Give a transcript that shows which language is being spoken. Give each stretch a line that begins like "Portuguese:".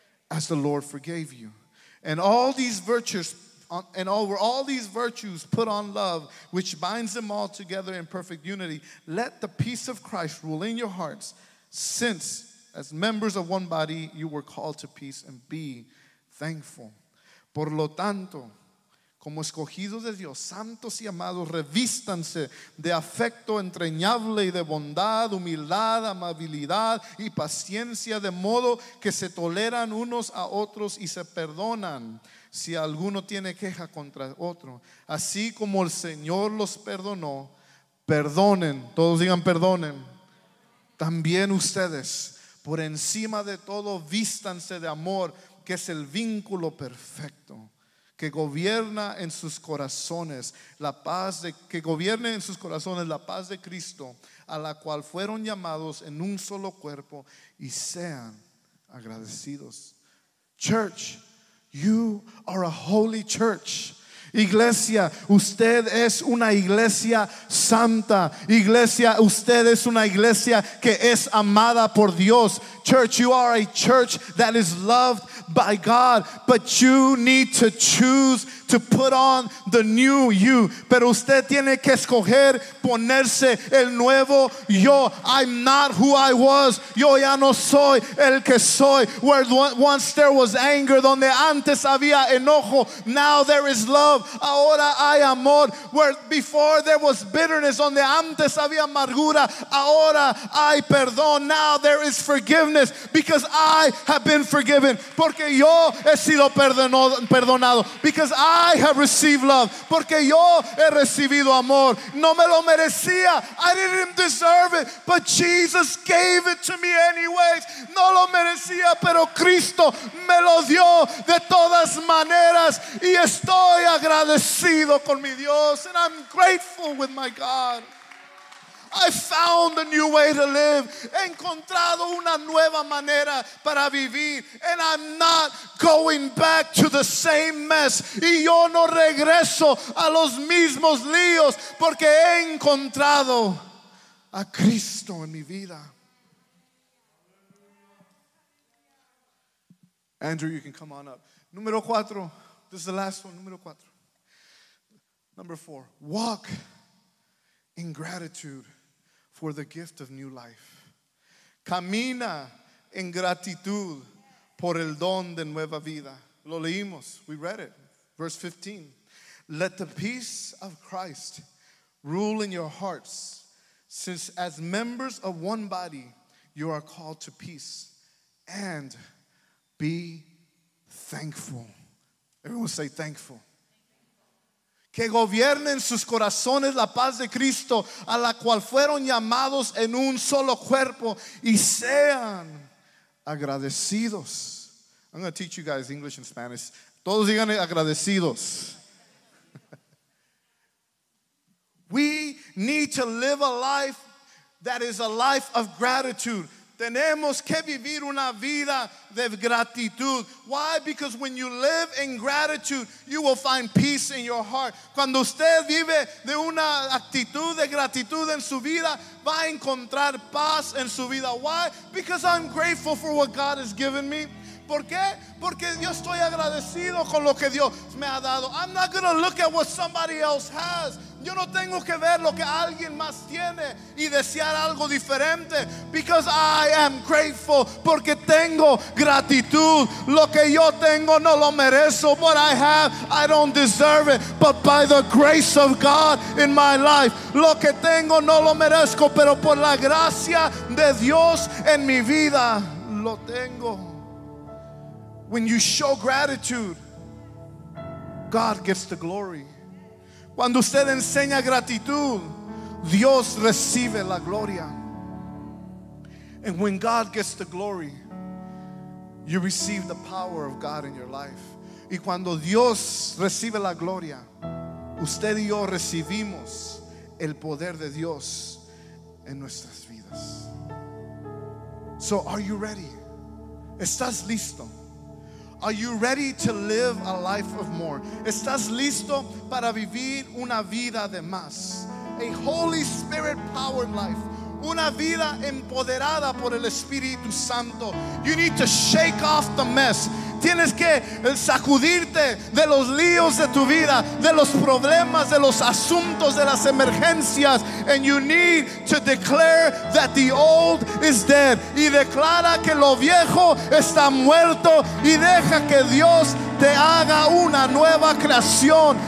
English: As the Lord forgave you. And all these virtues, and over all these virtues, put on love, which binds them all together in perfect unity. Let the peace of Christ rule in your hearts, since as members of one body, you were called to peace and be thankful.
Spanish: Por lo tanto, como escogidos de Dios, santos y amados, revístanse de afecto entrañable y de bondad, humildad, amabilidad y paciencia, de modo que se toleran unos a otros y se perdonan si alguno tiene queja contra otro. Así como el Señor los perdonó, perdonen, todos digan perdonen, también ustedes, por encima de todo, vístanse de amor, que es el vínculo perfecto, que gobierna en sus corazones la paz de, que gobierne en sus corazones la paz de Cristo, a la cual fueron llamados en un solo cuerpo, y sean agradecidos.
English: Church, you are a holy church.
Spanish: Iglesia, usted es una iglesia santa. Iglesia, usted es una iglesia que es amada por Dios.
English: Church, you are a church that is loved by God, but you need to choose to put on the new you.
Spanish: Pero usted tiene que escoger ponerse el nuevo yo.
English: I'm not who I was.
Spanish: Yo ya no soy el que soy.
English: Where once there was anger,
Spanish: donde antes había enojo,
English: now there is love.
Spanish: Ahora hay amor.
English: Where before there was bitterness,
Spanish: donde antes había amargura, ahora hay perdón.
English: Now there is forgiveness because I have been forgiven.
Spanish: Porque yo he sido perdonado.
English: Because I have received love.
Spanish: Porque yo he recibido amor. No me lo merecía.
English: I didn't deserve it. But Jesus gave it to me anyways.
Spanish: No lo merecía, pero Cristo me lo dio de todas maneras. Y estoy agradecido con mi Dios.
English: And I'm grateful with my God. I found a new way to live.
Spanish: He encontrado una nueva manera para vivir.
English: And I'm not going back to the same mess.
Spanish: Y yo no regreso a los mismos líos. Porque he encontrado a Cristo en mi vida.
English: Andrew, you can come on up.
Spanish: Número cuatro.
English: This is the last one. Número cuatro. Number four. Walk in gratitude for the gift of new life.
Spanish: Camina en gratitud por el don de nueva vida. Lo leímos.
English: We read it. Verse 15. Let the peace of Christ rule in your hearts, since as members of one body, you are called to peace. And be thankful. Everyone say thankful.
Spanish: Que gobierne en sus corazones la paz de Cristo, a la cual fueron llamados en un solo cuerpo, y sean agradecidos.
English: I'm going to teach you guys English and Spanish.
Spanish: Todos digan agradecidos.
English: We need to live a life that is a life of gratitude.
Spanish: Tenemos que vivir una vida de gratitud. Why?
English: Because when you live in gratitude, you will find peace in your heart.
Spanish: Cuando usted vive de una actitud de gratitud en su vida, va a encontrar paz en su vida.
English: Why? Because I'm grateful for what God has given me.
Spanish: ¿Por qué? Porque yo estoy agradecido con lo que Dios me ha dado.
English: I'm not going to look at what somebody else has.
Spanish: Yo no tengo que ver lo que alguien más tiene y desear algo diferente.
English: Because I am grateful.
Spanish: Porque tengo gratitud. Lo que yo tengo no lo merezco.
English: What I have, I don't deserve it. But by the grace of God in my life,
Spanish: lo que tengo no lo merezco. Pero por la gracia de Dios en mi vida, lo tengo.
English: When you show gratitude, God gets the glory.
Spanish: Cuando usted enseña gratitud, Dios recibe la gloria.
English: And when God gets the glory, you receive the power of God in your life.
Spanish: Y cuando Dios recibe la gloria, usted y yo recibimos el poder de Dios en nuestras vidas.
English: So are you ready?
Spanish: ¿Estás listo?
English: Are you ready to live a life of more?
Spanish: ¿Estás listo para vivir una vida de más?
English: A Holy Spirit powered life.
Spanish: Una vida empoderada por el Espíritu Santo.
English: You need to shake off the mess.
Spanish: Tienes que sacudirte de los líos de tu vida, de los problemas, de los asuntos, de las emergencias.
English: And you need to declare that the old is dead.
Spanish: Y declara que lo viejo está muerto. Y deja que Dios te haga una nueva creación.